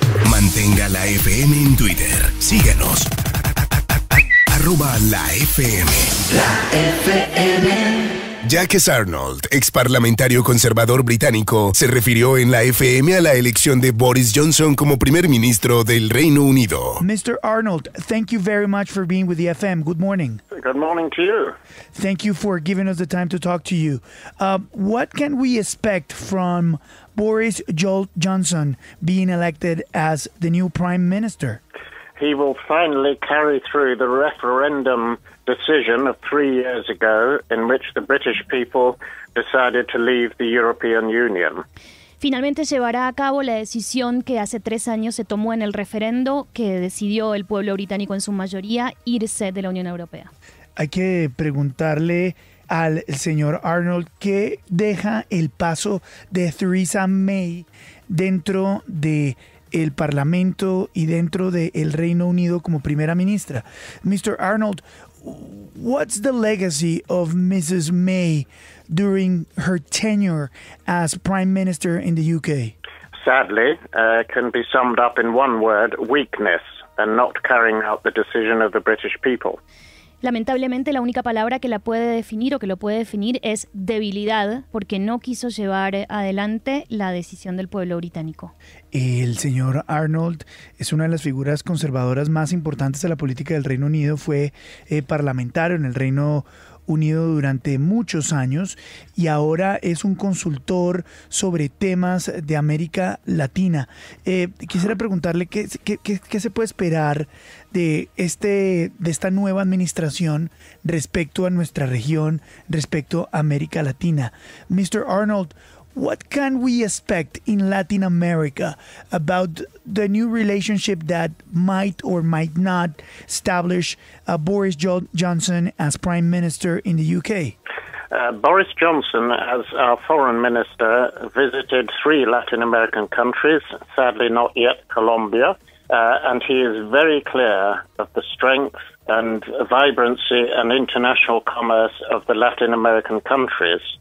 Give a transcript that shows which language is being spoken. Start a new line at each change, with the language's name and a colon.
Spanish: Mantenga la FM en Twitter. Síguenos. Arroba la FM. La FM. Jacques Arnold, exparlamentario conservador británico, se refirió en la FM a la elección de Boris Johnson como primer ministro del Reino Unido.
English: Mr. Arnold, thank you very much for being with the FM. Good morning. Good morning to you. Thank you for giving us the time to talk to you. What can we expect from Boris Johnson being elected as the new prime minister? He will finally carry through the referendum decision of 3 years ago, in which the British people decided to leave the European Union.
Spanish: Finalmente llevará a cabo la decisión que hace 3 años se tomó en el referendo, que decidió el pueblo británico en su mayoría irse de la Unión Europea. Hay que preguntarle al señor Arnold qué deja el paso de Theresa May dentro de el Parlamento y dentro de el Reino Unido como primera ministra.
English: Mr. Arnold, what's the legacy of Mrs. May during her tenure as Prime Minister in the UK? Sadly, can be summed up in one word: weakness, and not carrying out the decision of the British people.
Spanish: Lamentablemente, la única palabra que la puede definir o que lo puede definir es debilidad, porque no quiso llevar adelante la decisión del pueblo británico. El señor Arnold es una de las figuras conservadoras más importantes de la política del Reino Unido. Fue parlamentario en el Reino Unido durante muchos años y ahora es un consultor sobre temas de América Latina. Quisiera preguntarle qué se puede esperar de esta nueva administración respecto a nuestra región, respecto a América Latina.
English: Mr. Arnold, what can we expect in Latin America about the new relationship that might or might not establish Boris Johnson as Prime Minister in the UK? Boris Johnson, as our foreign minister, visited 3 Latin American countries, sadly not yet Colombia, and he is very clear of the strength and vibrancy and international commerce of the Latin American countries.